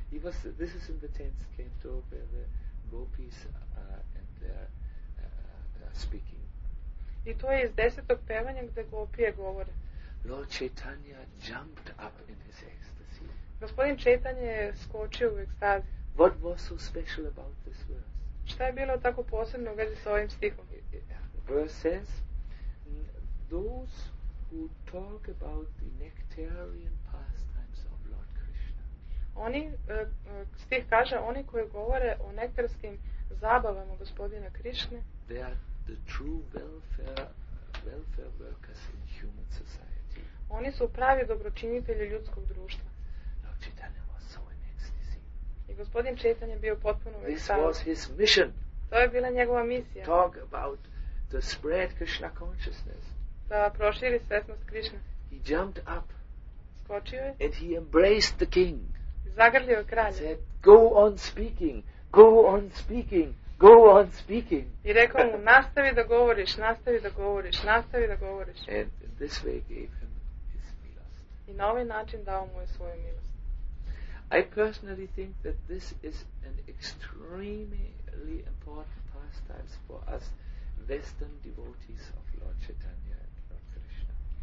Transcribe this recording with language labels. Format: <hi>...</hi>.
<en>It was, this is in the 10th canto where the gopis are, and they are speaking.</en> <sr>I to je iz 10. pevanja gde gopije govore.</sr> <en>Lord Chaitanya jumped up in his ecstasy.</en> <sr>Gospodin Čaitanja je skočio u ekstazi.</sr> <en>What was so special about this verse?</en> <sr>Šta je bilo tako posebno u vezi sa ovim stihom?</sr> <en>Verse says, those who talk about the nectarian pastimes of Lord Krishna.</en> <sr>Oni, stih kaže, oni koji govore o nektarskim zabavama gospodina Krišne,</sr> <en>they are the true welfare workers in human society.</en> <sr>Oni su pravi dobročinitelji ljudskog društva.</sr> <en>Lord Chaitanya was so in ecstasy.</en> <sr>I gospodin Čaitanja bio potpuno</sr> <en>this vesel. Was his mission.</en> <sr>To je bila njegova misija.</sr> <en>Talk about the spread Krishna consciousness.</en> <sr>Da proširi svjesnost Krišne.</sr> <en>He jumped up.</en> <sr>Skočio je.</sr> <en>And he embraced the king.</en> <sr>Zagrlio kralja.</sr> <en>Said, go on speaking, go on speaking, go on speaking.</en> <sr>I rekao mu, nastavi da govoriš, nastavi da govoriš, nastavi da govoriš.</sr> <en>And this way gave him his milost.</en> <sr>I na ovaj način dao mu je svoju milost.</sr> <en>I personally think that this is an extremely important pastime for us Western devotees of Lord Chaitanya and Lord Krishna.</en>